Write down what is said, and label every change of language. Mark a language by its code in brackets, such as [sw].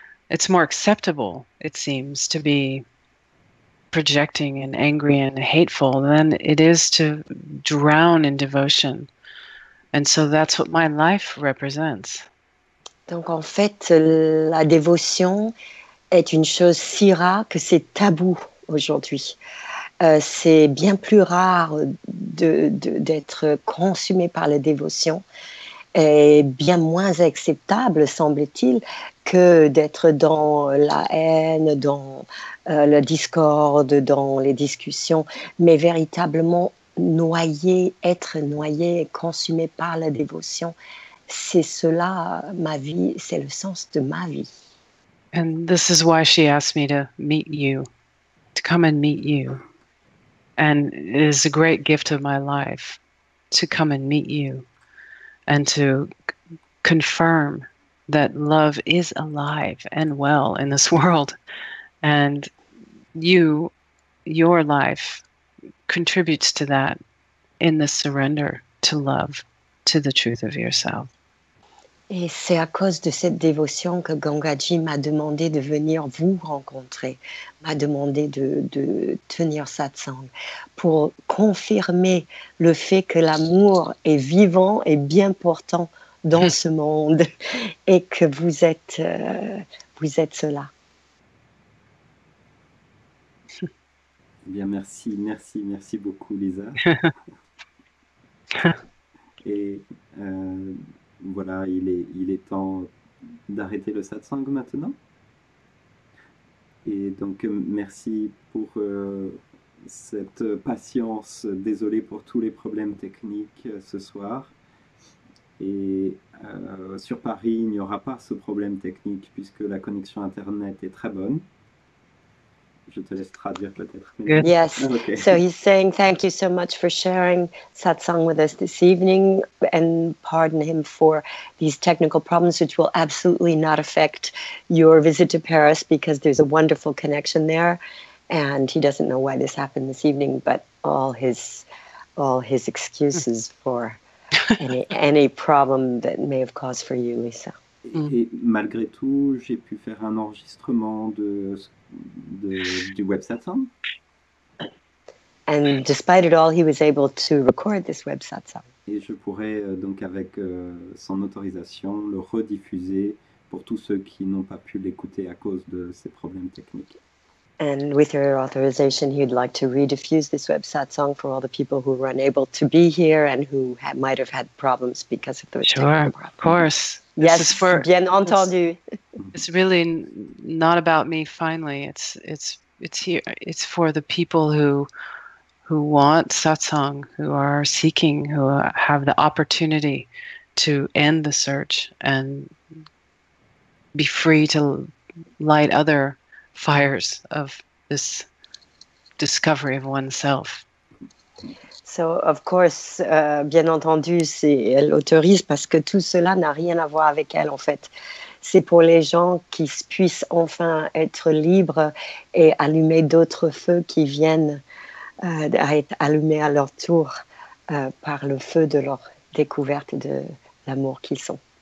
[en] It's more acceptable, it seems, to be projecting and angry and hateful than it is to drown in devotion. And so that's what my life represents. [fr] Donc en fait, la dévotion est une chose si rare que c'est tabou aujourd'hui. C'est bien plus rare d'être consumé par la dévotion et bien moins acceptable, semble-t-il, que d'être dans la haine, dans le discorde, dans les discussions, mais véritablement être noyé et consumé par la dévotion, c'est cela ma vie, c'est le sens de ma vie. [en] And this is why she asked me to meet you, to come and meet you. And it is a great gift of my life to come and meet you and to confirm that love is alive and well in this world. And your life contributes to that in the surrender to love, to the truth of yourself. [fr] Et c'est à cause de cette dévotion que Gangaji m'a demandé de venir vous rencontrer, m'a demandé de tenir satsang, pour confirmer le fait que l'amour est vivant et bien portant dans ce monde, et que vous êtes cela. Eh bien, merci, merci, merci beaucoup, Lisa. Voilà, il est temps d'arrêter le satsang maintenant. Et donc, merci pour cette patience. Désolé pour tous les problèmes techniques ce soir. Et sur Paris, il n'y aura pas ce problème technique puisque la connexion Internet est très bonne. Je te laisse traduire peut-être. [en] Good. Yes. Okay. So he's saying thank you so much for sharing satsang with us this evening and pardon him for these technical problems which will absolutely not affect your visit to Paris because there's a wonderful connection there and he doesn't know why this happened this evening but all his excuses for any problem that may have caused for you, Lisa. [fr] Et malgré tout, j'ai pu faire un enregistrement du web satsang. [en] And despite it all, he was able to record this web satsang. [fr] Et je pourrais donc avec son autorisation le rediffuser pour tous ceux qui n'ont pas pu l'écouter à cause de ces problèmes techniques. [en] And with your authorization, he'd like to rediffuse this web satsang for all the people who were unable to be here and who might have had problems because of the technical problems. Sure, of course. This yes, is for, [fr] bien entendu. [en] It's really not about me. Finally, it's here. It's for the people who want satsang, who are seeking, who have the opportunity to end the search and be free to light other fires of this discovery of oneself. So, of course, [fr] bien entendu, elle autorise parce que tout cela n'a rien à voir avec elle, en fait. C'est pour les gens qui puissent enfin être libres et allumer d'autres feux qui viennent à être allumés à leur tour par le feu de leur découverte de l'amour qu'ils sont.